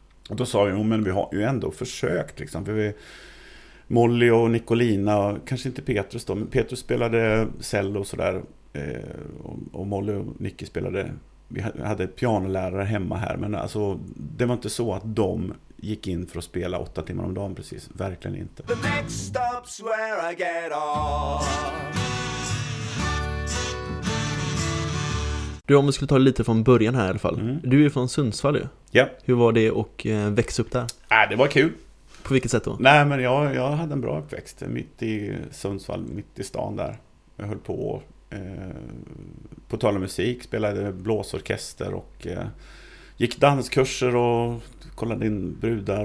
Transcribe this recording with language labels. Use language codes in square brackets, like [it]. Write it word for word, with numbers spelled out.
[sv] Och då sa vi, men vi har ju ändå försökt liksom, för vi, Molly och Nicolina och kanske inte Petrus då, men Petrus spelade cello och sådär, och Molly och Nicky spelade, vi hade pianolärare hemma här, men alltså, det var inte så att de gick in för att spela åtta timmar om dagen precis, verkligen inte. [en] The next stop's where I get off. [sv] Du, om vi skulle ta lite från början här i alla fall. Mm. Du är från Sundsvall ju. Ja. Hur var det att växa upp där? Äh, det var kul. På vilket sätt då? Nej, men jag, jag hade en bra uppväxt mitt i Sundsvall, mitt i stan där. Jag höll på eh, på tal om musik, spelade blåsorkester och eh, gick danskurser och kollade in brudar.